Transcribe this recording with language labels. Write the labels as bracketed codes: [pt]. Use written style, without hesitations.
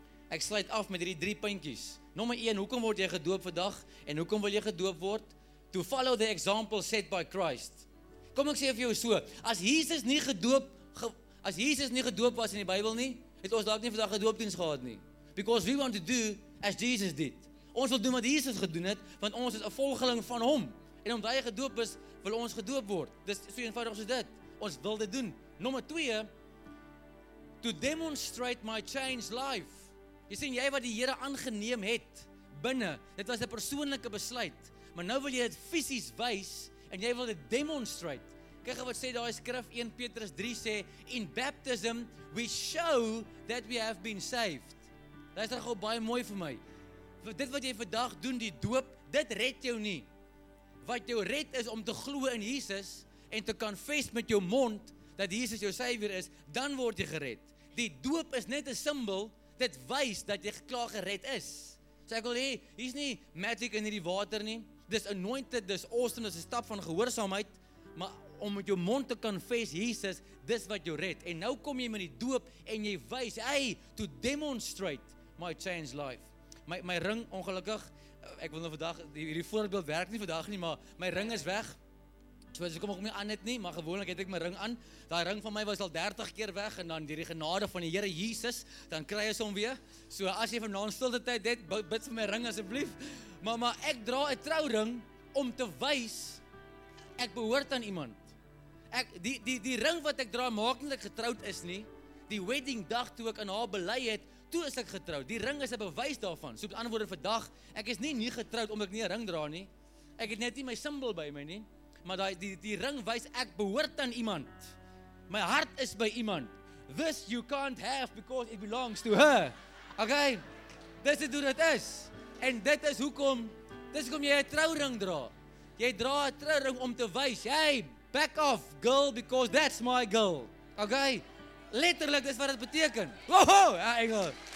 [af] Ek sluit af met hierdie drie puntjies. Nommer 1, hoekom word jy gedoop vandag, en hoekom wil jy gedoop word? [en] To follow the example set by Christ. [af] Kom ek sê vir jou so, as Jesus nie gedoop was in die Bybel nie, het ons dalk nie vandag 'n doopdiens gehad nie. [en] Because we want to do as Jesus did. [af] Ons wil doen wat Jesus gedoen het, want ons is 'n volgeling van hom. En omdat hy gedoop is, wil ons gedoop word. Dis so eenvoudig soos dit. Ons wil dit doen. Nommer 2, [en] to demonstrate my changed life. [af] Jy sien, jy wat die Here aangeneem het binne, dit was 'n persoonlike besluit. Maar nou wil jy dit fisies wys en jy wil dit demonstrate. Kyk wat sê daai skrif 1 Petrus 3 sê, [en] in baptism we show that we have been saved. [af] Dit is reg gou baie mooi vir my. Vir dit wat jy vandag doen, die doop, dit red jou nie. Wat jou red is om te glo in Jesus en te confess met jou mond dat Jesus jou Savior is, dan word jy gered. Die doop is net 'n simbool, dit wys dat jy klaar gered is. So ek wil hê, hier's nie magic in hierdie water nie. Dis anointed, dis awesome, dis 'n stap van gehoorsaamheid, maar om met jou mond te confess Jesus, dis wat jou red. En nou kom jy met die doop en jy wys, hey, [en] to demonstrate my changed life. [af] My ring, ongelukkig, ek wil nou vandag, hierdie voorbeeld werk nie vandag nie, maar my ring is weg. So as ek hom nie aan het nie, maar gewoonlik het ek my ring aan. Daai ring van my was al 30 keer weg en dan deur die genade van die Here Jesus, dan kry ek hom weer. So as jy vanaand stilte tyd het, bid vir my ring asseblief. Maar ek dra 'n trouring om te wys ek behoort aan iemand. Ek die ring wat ek dra maak nie dat ek getroud is nie. Die wedding dag toe ek aan haar bely het, toe is ek getroud. Die ring is 'n bewys daarvan. So op 'n ander woorde vandag, ek is nie getroud omdat ek nie 'n ring dra nie. Ek het net nie my simbool by my nie. Maar die ring wys ek behoort aan iemand. My hart is by iemand. [en] This you can't have because it belongs to her. [af] Okay? Dis hoe dit is. En dit is hoekom, jy 'n trouring dra. Jy dra 'n trouring om te wys, hey, [en] back off girl because that's my girl. Okay? [af] Letterlik dis wat dit beteken. Woho, ja, engel.